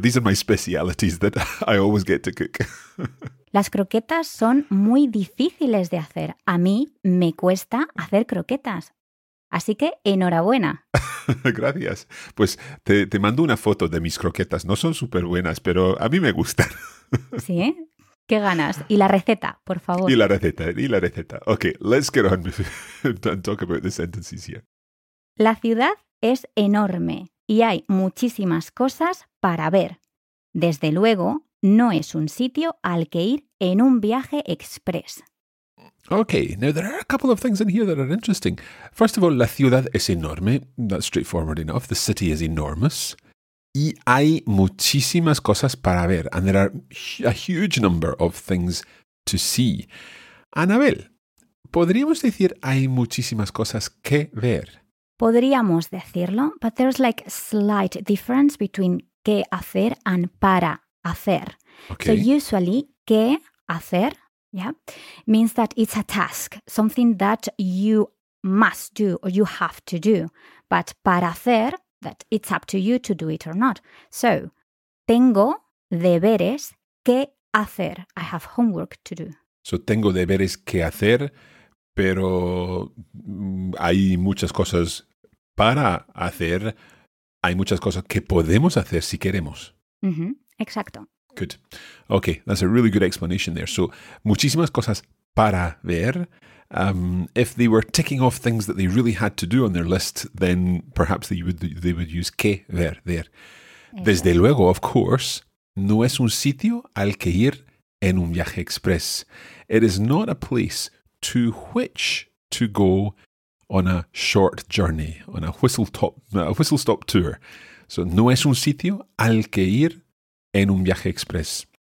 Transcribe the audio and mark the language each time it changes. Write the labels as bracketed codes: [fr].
[en] These are my specialities that I always get to cook. [es] Las croquetas son muy difíciles de hacer. A mí me cuesta hacer croquetas. Así que enhorabuena. Gracias. Pues te mando una foto de mis croquetas. No son súper buenas, pero a mí me gustan. Sí, qué ganas. Y la receta, por favor. Y la receta. [en] Ok, let's get on and talk about the sentences here. [es] La ciudad es enorme. Y hay muchísimas cosas para ver. Desde luego, no es un sitio al que ir en un viaje express. [en] Okay, now there are a couple of things in here that are interesting. [es] First of all, la ciudad es enorme. [en] That's straightforward enough. The city is enormous. [es] Y hay muchísimas cosas para ver. [en] And there are a huge number of things to see. [es] Anabel, ¿podríamos decir hay muchísimas cosas que ver? Podríamos decirlo, [en] but there's like a slight difference between qué hacer and para hacer. Okay. So usually, qué hacer, yeah, means that it's a task, something that you must do or you have to do. But para hacer, that it's up to you to do it or not. [es] So, tengo deberes que hacer. [en] I have homework to do. [es] So, tengo deberes que hacer, pero hay muchas cosas para hacer, hay muchas cosas que podemos hacer si queremos. Mm-hmm. Exacto. [en] Good. Okay, that's a really good explanation there. [es] So, muchísimas cosas para ver. [en] If they were ticking off things that they really had to do on their list, then perhaps they would use que ver there. [es] Desde luego, [en] of course, [es] no es un sitio al que ir en un viaje express. [en] It is not a place to which to go on a short journey, on a whistle stop tour. [es] So no es un sitio al que ir en un viaje express.